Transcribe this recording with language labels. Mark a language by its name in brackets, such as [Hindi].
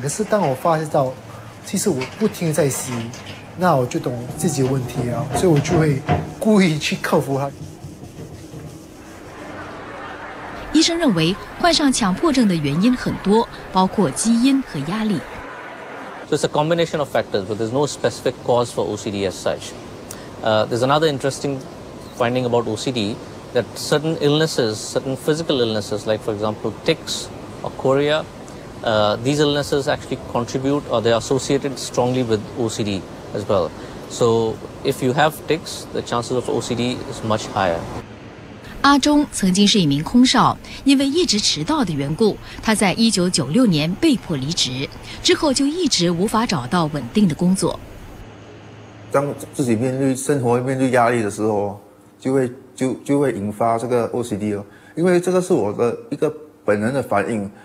[Chinese] 可是当我发现到，其实我不停地在洗，那我就懂自己的问题了，所以我就会故意去克服它。医生认为患上强迫症的原因很多，包括基因和压力。 [English] So it's a combination of factors, but there's no specific cause for OCD as such. There's another interesting finding about OCD that certain illnesses, certain physical illnesses, like for example tics or chorea. These illnesses actually contribute or they are associated strongly with OCD as well. So if you have tics, the chances of OCD is much higher. [Chinese] 阿中曾经是一名空少，因为一直迟到的缘故，他在1996年被迫离职，之后就一直无法找到稳定的工作。当自己面对生活面对压力的时候，就会引发这个 OCD 哦，因为这个是我的一个本能的反应。